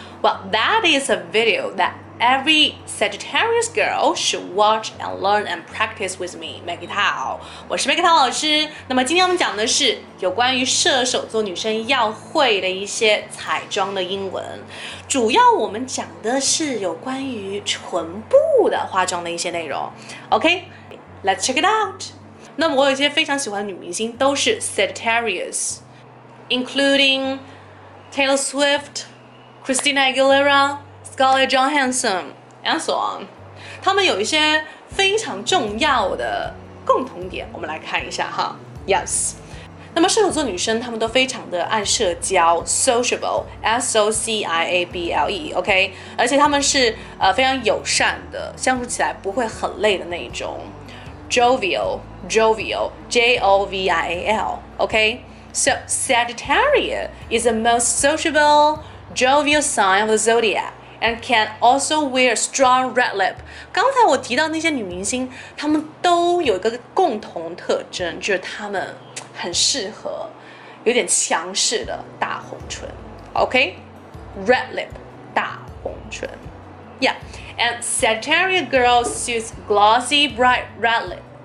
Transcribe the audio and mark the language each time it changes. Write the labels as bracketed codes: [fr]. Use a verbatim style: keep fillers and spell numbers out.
[en] Well, that is a video that every Sagittarius girl should watch and learn and practice with me. [zh] Maggie Tao， 我是 Maggie Tao 老师。那么今天我们讲的是有关于射手座女生要会的一些彩妆的英文。主要我们讲的是有关于唇部的化妆的一些内容。 [en] OK, let's check it out. [zh] 那么我有一些非常喜欢的女明星都是 [en] Sagittarius, including Taylor Swift, Christina Aguilera, Scarlett Johansson, and so on. [zh] 她们有一些非常重要的共同点，我们来看一下哈。 Yes. 那么射手座女生她们都非常的爱社交 ，sociable, S O C I A B L E, OK? 而且她们是、呃、非常友善的，相处起来不会很累的那一种。 [en] Jovial, jovial, J O V I A L, okay? So Sagittarius is the most sociable, jovial sign of the zodiac and can also wear strong red lip. [zh] 刚才我提到那些女明星，她们都有一个共同特征，就是她们很适合有点强势的大红唇 okay? [en] Red lip, 大红唇。Yeah. And Sagittarius girls suits glossy, bright red lip.